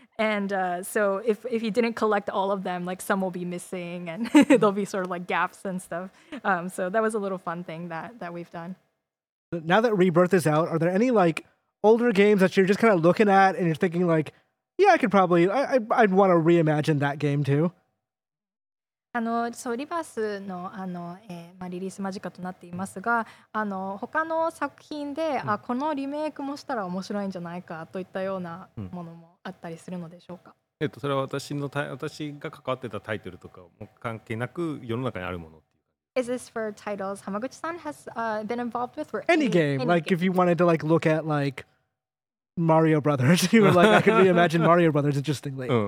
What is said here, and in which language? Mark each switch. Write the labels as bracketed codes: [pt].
[en] And so if you didn't collect all of them, like some will be missing and there'll be sort of like gaps and stuff. So that was a little fun thing that we've done. Now that Rebirth is out, are there any like older games that you're just kind of looking at and you're thinking like, yeah, I could probably, I'd want to reimagine that game too? [ja] そう、リバースの、まあ、リリース間近となっていますが、他の作品で、うん、このリメイクもしたら面白いんじゃないかといったようなものもあったりするのでしょうか？うん、それは私が関わってたタイトルとかも関係なく世の中にあるもの。 [en] Is this for titles Hamaguchi-san has been involved with? Or any game. Any like, game. If you wanted to like look at like Mario Brothers, you were like, I could reimagine Mario Brothers interestingly.